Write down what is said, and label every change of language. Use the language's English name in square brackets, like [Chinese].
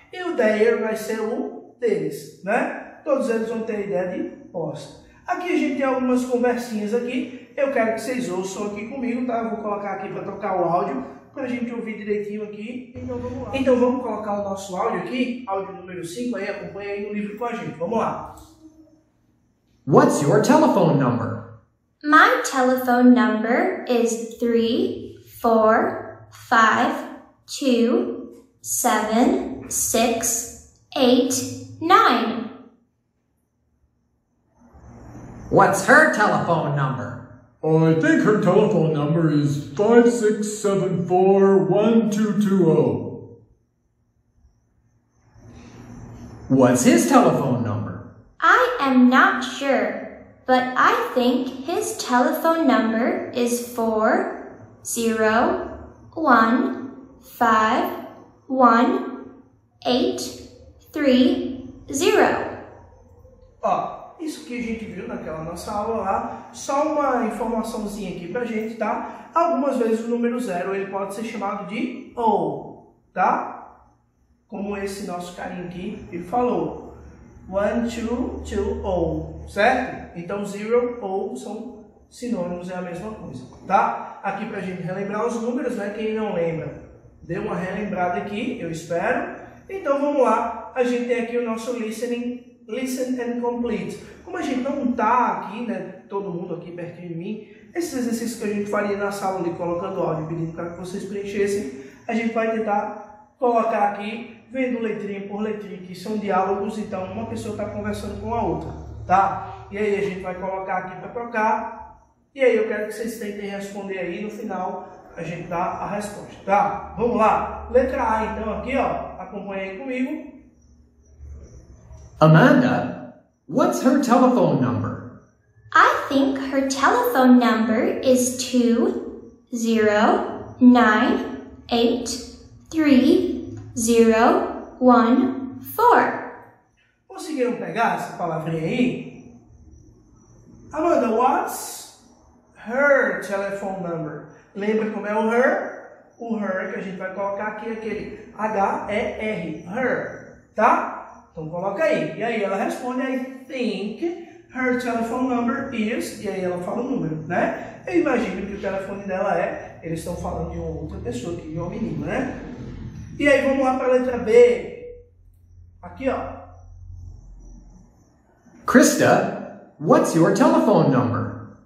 [Portuguese] E o their vai ser o deles, né? Todos eles vão ter a ideia de posse. Aqui a gente tem algumas conversinhas aqui, eu quero que vocês ouçam aqui comigo, tá? Eu vou colocar aqui para tocar o áudio, para a gente ouvir direitinho aqui. Então vamos lá. Então vamos colocar o nosso áudio aqui, áudio número 5, aí acompanha aí no livro com a gente. Vamos lá. [English] What's your telephone number? My telephone number is 3 4 5 2 7 6 8 9. What's her telephone number? Oh, I think her telephone number is 5674-1220. What's his telephone number? I am not sure, but I think his telephone number is 4-0-1-5-1-8-3-0. [Portuguese] Isso que a gente viu naquela nossa aula lá, só uma informaçãozinha aqui pra gente, tá? Algumas vezes o número zero ele pode ser chamado de ou, tá? Como esse nosso carinha aqui, ele falou. 1, 2, 2, 0, certo? Então zero ou são sinônimos, é a mesma coisa, tá? Aqui pra gente relembrar os números, né? Quem não lembra, deu uma relembrada aqui, eu espero. Então vamos lá, a gente tem aqui o nosso [English] listen and complete. [Portuguese] Como a gente não está aqui, né, todo mundo aqui pertinho de mim, esses exercícios que a gente faria na sala ali, colocando áudio, pedindo para que vocês preenchessem, a gente vai tentar colocar aqui, vendo letrinha por letrinha, que são diálogos, então uma pessoa está conversando com a outra, tá? E aí a gente vai colocar aqui para trocar, e aí eu quero que vocês tentem responder aí, no final a gente dá a resposta, tá? Vamos lá! Letra A, então, aqui, ó, acompanha aí comigo. [English] Amanda, what's her telephone number? I think her telephone number is 2-0-9-8-3-0-1-4. [Portuguese] Conseguiram pegar essa palavrinha aí? [English] Amanda, what's her telephone number? [Portuguese] Lembra como é o her? O her que a gente vai colocar aqui, aquele H-E-R, her, tá? Então coloca aí. E aí ela responde, [English] I think her telephone number is, [Portuguese] e aí ela fala o número, né? Eu imagino que o telefone dela é, eles estão falando de uma outra pessoa aqui, de uma menina, né? E aí vamos lá para a letra B. Aqui, ó. [English] Krista, what's your telephone number?